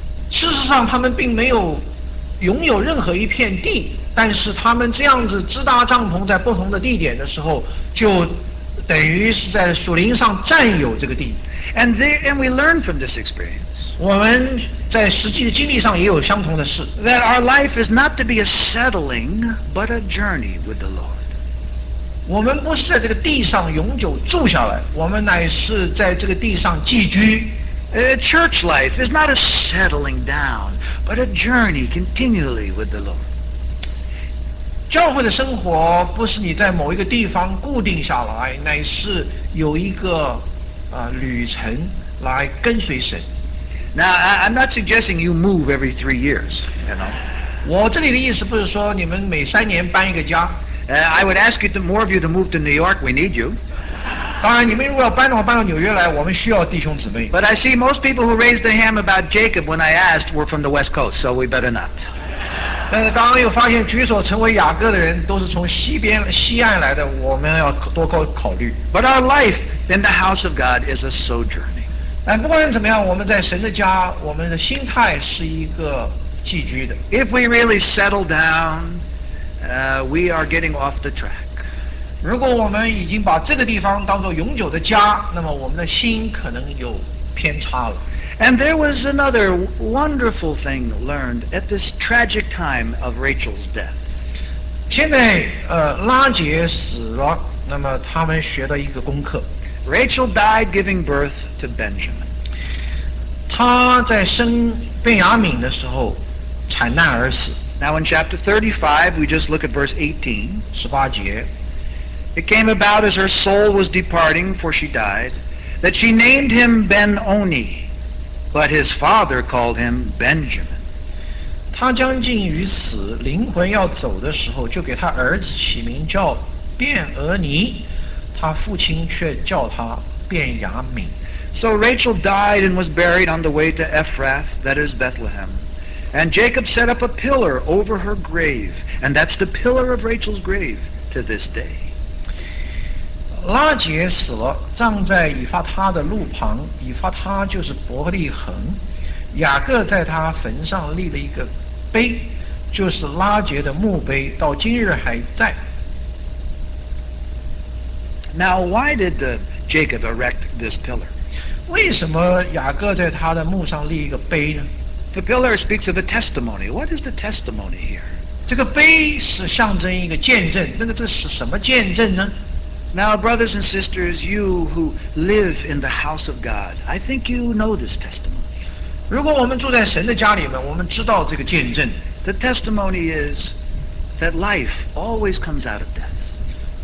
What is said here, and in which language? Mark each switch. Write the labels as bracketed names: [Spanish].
[Chinese] 事实上他们并没有拥有任何一片地，但是他们这样子支搭帐篷在不同的地点的时候，就等于是在属灵上占有这个地。 [English] And we learn from this experience. [Chinese] 我们在实际的经历上也有相同的事。 [English] That our life is not to be a settling, but a journey with the Lord. [Chinese] 我们不是在这个地上永久住下来，我们乃是在这个地上寄居。 [English] Church life is not a settling down, but a journey continually with the Lord. [Chinese] 教会的生活不是你在某一个地方固定下来，乃是有一个旅程来跟随神。 [English] Now, I'm not suggesting you move every 3 years, you know. [Chinese] 我这里的意思不是说你们每三年搬一个家。 [English] I would ask you to, more of you to move to New York, we need you. [Chinese] 当然你们如果要搬的话搬到纽约来，我们需要弟兄姊妹。 [English] But I see most people who raised their hand about Jacob when I asked were from the West Coast, so we better not. [Chinese] 但是刚刚又发现举手成为雅各的人都是从西岸来的，我们要多考虑。 [English] But our life in the house of God is a sojourn. [Chinese] 但不管怎么样，我们在神的家，我们的心态是一个寄居的。 [English] If we really settle down, we are getting off the track. [Chinese] 如果我们已经把这个地方当作永久的家，那么我们的心可能有偏差了。 [English] And there was another wonderful thing learned at this tragic time of Rachel's death. [Chinese] 现在，拉结死了，那么他们学到一个功课。 [English] Rachel died giving birth to Benjamin. [Chinese] 她在生便雅悯的时候产难而死。 [English] Now in chapter 35, we just look at verse 18. [Chinese] 十八节。 [English] It came about as her soul was departing, for she died, that she named him Ben-Oni, but his father called him Benjamin. [Chinese] 她将近于死，灵魂要走的时候，就给她儿子起名叫便俄尼。他父亲却叫他便雅悯。 [English] So Rachel died and was buried on the way to Ephrath, that is Bethlehem. And Jacob set up a pillar over her grave, and that's the pillar of Rachel's grave to this day. [Chinese] 拉结死了，葬在以法他的路旁，以法他就是伯利恒。雅各在他坟上立了一个碑，就是拉结的墓碑，到今日还在。 [English] Now, why did Jacob erect this pillar? [Chinese] 为什么雅各在他的墓上立一个碑呢？ [English] The pillar speaks of a testimony. What is the testimony here? [Chinese] 这个碑是象征一个见证，那个这是什么见证呢？ [English] Now, brothers and sisters, you who live in the house of God, I think you know this testimony. [Chinese] 如果我们住在神的家里面，我们知道这个见证。 [English] The testimony is that life always comes out of death.